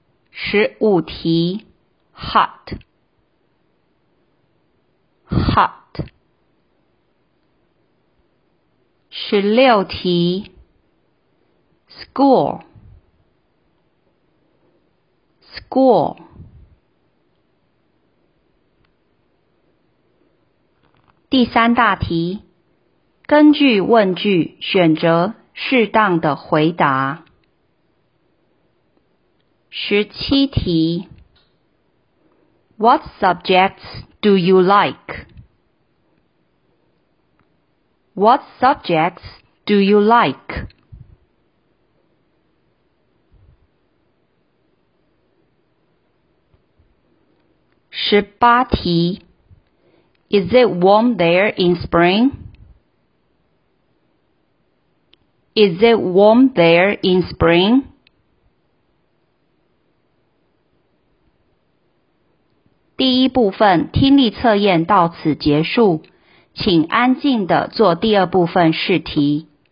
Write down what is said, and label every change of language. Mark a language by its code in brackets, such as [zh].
[zh] 十五题 ，hot， hot。十六题 ，school， school。第三大题，根据问句选择适当的回答。十七题 [en] ，What subjects do you like? What subjects do you like? [zh] 十八题。 [en] Is it warm there in spring? Is it warm there in spring? [zh] 第一部分听力测验到此结束，请安静地做第二部分试题。